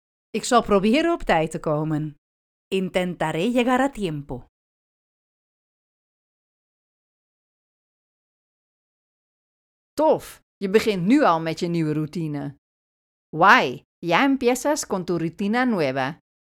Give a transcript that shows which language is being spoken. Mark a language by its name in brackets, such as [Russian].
[Dutch] Ik zal proberen op tijd te komen. [Spanish] Intentaré llegar a tiempo. [Dutch] Tof, je begint nu al met je nieuwe routine. [Spanish] Guay, ya empiezas con tu rutina nueva.